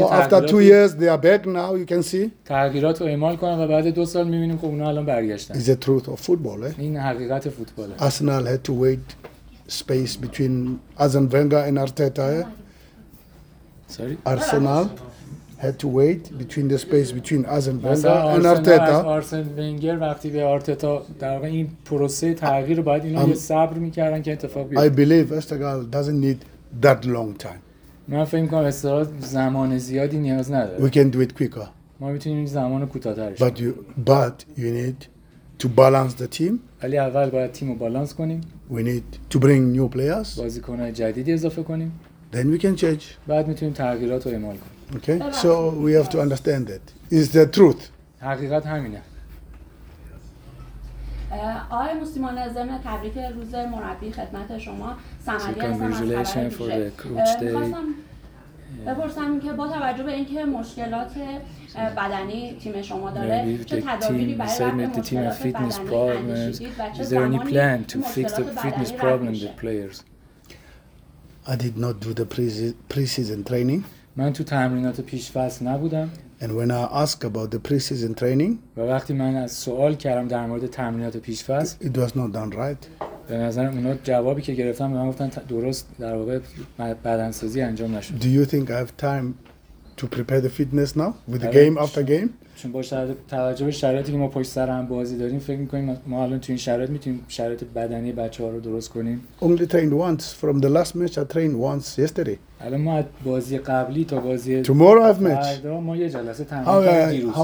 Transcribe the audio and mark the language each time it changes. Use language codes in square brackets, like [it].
[en] So after 2 years, they are back now, you can see. [fa] تغییرات رو اعمال کنن و بعد 2 سال میبینیم که اونا الان برگشتن. [en] It's the truth of football, eh? [fa] این حقیقت فوتباله. [en] Arsenal had to wait space between Arsene Wenger and Arteta. Eh? Sorry? Arsenal had to wait between the space between Arsene Wenger and Arteta. [fa] Arsene Wenger وقتی به آرتتا در واقع این پروسه تغییر رو باید اینا یه صبر می‌کردن که اتفاق بیفته. [en] I believe Estegal doesn't need that long time. [fa] من فکر می‌کنم استراد زمان زیادی نیاز نداره. [en] We can do it quicker. [fa] ما می‌تونیم زمان کوتاه‌ترش. [en] But you need to balance the team. [fa] ولی اول باید تیم رو بالانس کنیم. [en] We need to bring new players. [fa] بازیکن‌های جدیدی اضافه کنیم. [en] Then we can change. [fa] بعد می‌تونیم تغییرات رو اعمال کنیم. [en] Okay. So we have to understand that. Is the truth. [fa] حقیقت همینه. آقای مسلمان ضمن تبریک روز مربی خدمت شما صمدی هستم. [en] Congratulations for the coach day. [fa] بپرسم که با توجه به اینکه مشکلات بدنی تیم شما داره چه تدابیری برای رفع مشکلات بدنی کشیدید و چه زمانی [en] is there any plan to fix the fitness problem in the players? I did not do the pre-season training. [fa] من تو تمرینات پیش فصل نبودم. [en] And when I asked about the pre-season training, [fa] و وقتی من از سوال کردم در مورد تمرینات پیش فصل, [en] it was not done right. [fa] به نظر من جوابی که گرفتم به من گفتن درست در واقع بدنسازی انجام نشد. [en] Do you think I have time to prepare the fitness now with the game after game? [fa] چون با توجه به شرایطی که ما پشت سر هم بازی داریم فکر می‌کنیم ما الان تو این شرایط می‌تونیم شرایط بدنی بچه‌ها رو درست کنیم. [en] Only trained once from the last match. I trained once yesterday. [fa] الان ما بازی قبلی تا بازی [en] tomorrow have match. [fa] ما یه جلسه تمرین کردیم دیروز.